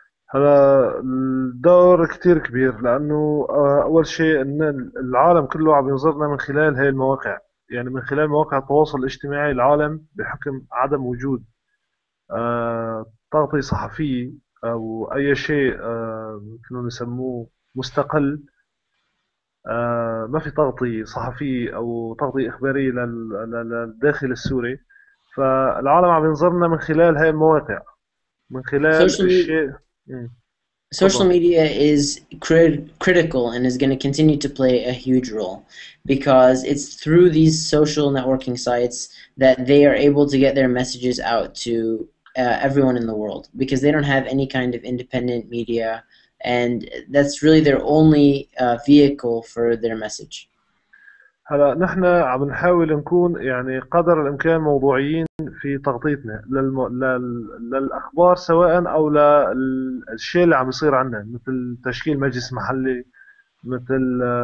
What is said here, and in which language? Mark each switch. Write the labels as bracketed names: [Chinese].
[Arabic] هلا الدور كتير كبير لأنه أول شيء إن العالم كله عم ينظرنا من خلال هاي المواقع، يعني من خلال مواقع التواصل الاجتماعي العالم بحكم عدم وجود تغطية صحفية أو أي شيء ممكن نسموه مستقل، ما في تغطية صحفية أو تغطية إخبارية للداخل السوري، فالعالم عم ينظرنا من خلال هاي المواقع من خلال الشيء. [English] Social media is critical and is going to continue to play a huge role because it's through these social networking sites that they are able to get their messages out to everyone in the world because they don't have any kind of independent media and that's really their only vehicle for their message. [Arabic] هلا نحن عم نحاول نكون يعني قدر الامكان موضوعيين في تغطيتنا للاخبار سواء او للشيء اللي عم يصير عندنا مثل تشكيل مجلس محلي مثل